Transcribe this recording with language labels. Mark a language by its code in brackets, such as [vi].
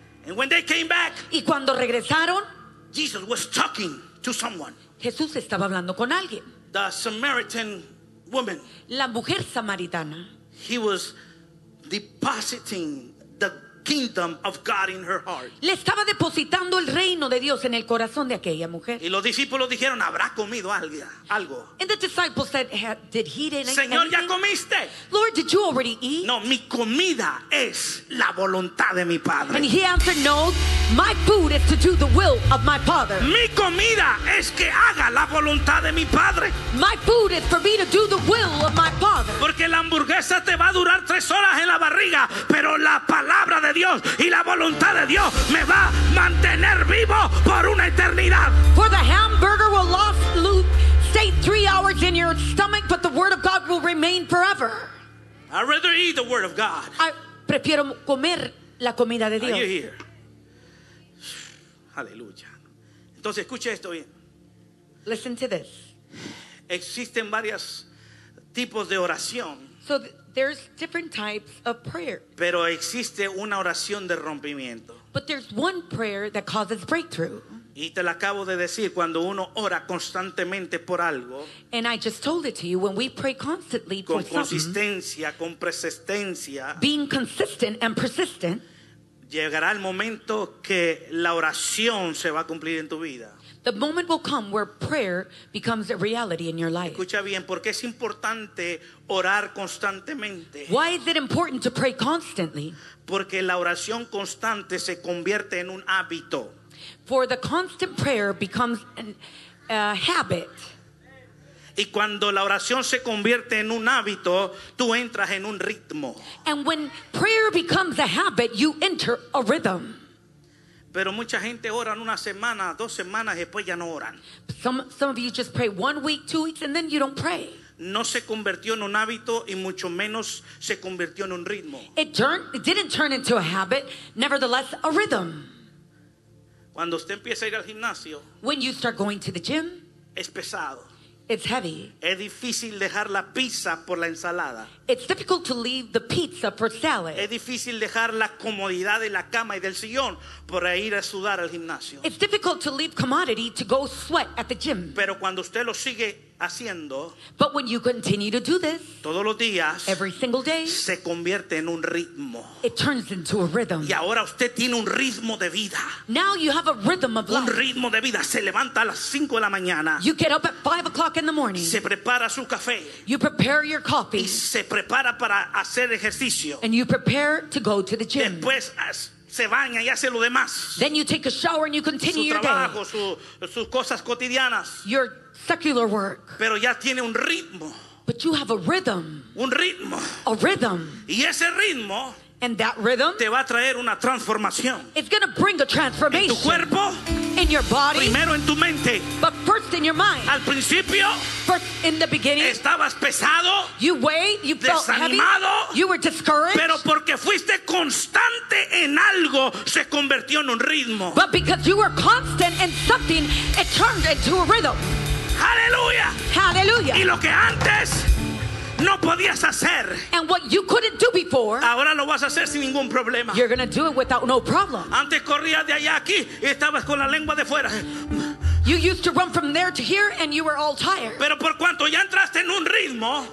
[en] And when they came back, [es] y cuando regresaron, [en] Jesus was talking to someone. [es] Jesús estaba hablando con alguien. [en] The Samaritan woman. [es] La mujer samaritana. [en] He was depositing the kingdom of God in her heart. [es] Le estaba depositando el reino de Dios en el corazón de aquella mujer. Y los discípulos dijeron, ¿habrá comido algo? [en] And the disciples said, did he eat anything? [es] Señor, ¿ya comiste? [en] Lord, did you already eat? [es] No, mi comida es la voluntad de mi Padre. [en] And he answered, no, my food is to do the will of my Father. [es] Mi comida es que haga la voluntad de mi Padre. [en] My food is for me to do the will of my Father. [es] Porque la hamburguesa te va a durar 3 horas en la barriga, pero la palabra de Dios y la voluntad de Dios me va a mantener vivo por una eternidad. [en] For the hamburger will stay 3 hours in your stomach, but the word of God will remain forever. I'd rather eat the word of God. [es] I prefiero comer la comida de Dios. [en] Are you here? [es] Aleluya. Entonces escuche esto bien. [en] Listen to this. [es] Existen varios tipos de oración. [en] There's different types of prayer. [es] Pero existe una oración de rompimiento. [en] But there's one prayer that causes breakthrough. [es] Y te la acabo de decir, cuando uno ora constantemente por algo. [en] And I just told it to you, when we pray constantly [es] con [en] for [es] consistencia, con persistencia, [en] being consistent and persistent, [es] llegará el momento que la oración se va a cumplir en tu vida. [en] The moment will come where prayer becomes a reality in your life. [es] Escucha bien, porque es importante orar constantemente. [en] Why is it important to pray constantly? [es] Porque la oración constante se convierte en un hábito. [en] For the constant prayer becomes a habit. [es] Y cuando la oración se convierte en un hábito, tú entras en un ritmo. [en] And when prayer becomes a habit, you enter a rhythm. [es] Pero mucha gente ora una semana, 2 semanas, después ya no oran. [en] Some of you just pray 1 week, 2 weeks, and then you don't pray. [es] No se convirtió en un hábito y mucho menos se convirtió en un ritmo. [en] It didn't turn into a habit, nevertheless a rhythm. [es] Cuando usted empieza a ir al gimnasio, [en] when you start going to the gym, [es] es pesado. [en] It's heavy. [es] Es difícil dejar la pizza por la ensalada. [en] It's difficult to leave the pizza for salad. [es] Es difícil dejar la comodidad de la cama y del sillón por ir a sudar al gimnasio. [en] It's difficult to leave commodity to go sweat at the gym. [es] Pero cuando usted lo sigue haciendo, [en] but when you continue to do this, [es] todos los días, [en] every single day, [es] se convierte en un ritmo. [en] It turns into a rhythm. [es] Y ahora usted tiene un ritmo de vida. [en] Now you have a rhythm of life. [es] Un ritmo de vida. Se levanta a las 5 de la mañana. [en] You get up at 5 o'clock in the morning. [es] Se prepara su café. [en] You prepare your coffee. [es] Y se prepara para hacer ejercicio. [en] And you prepare to go to the gym. [es] Después se baña y hace lo demás. [en] Then you take a shower and you continue [es] su trabajo, [en] your day. [es] Sus cosas cotidianas. [en] Your secular work. [es] Pero ya tiene un ritmo. [en] But you have a rhythm. [es] Un ritmo. [en] A rhythm. [es] Y ese ritmo, [en] and that rhythm, [es] te va a traer una transformación. [en] It's going to bring a transformation. [es] En tu cuerpo, [en] in your body. [es] Primero en tu mente. [en] But first in your mind. [es] Al principio, [en] first in the beginning. [es] Estabas pesado. [en] You weighed, you felt [es] desanimado, [en] heavy. You were discouraged. [es] Pero porque fuiste constante en algo, se convirtió en un ritmo. [en] But because you were constant in something, it turned into a rhythm. Hallelujah. Hallelujah. [es] Y lo que antes no podías hacer, [en] and what you couldn't do before, [es] ahora lo vas a hacer sin ningún problema. [en] You're going to do it without no problem. [es] Antes corrías de allá aquí y estabas con la lengua de fuera. [en] You used to run from there to here and you were all tired. [es] Pero por cuanto ya entraste en un ritmo,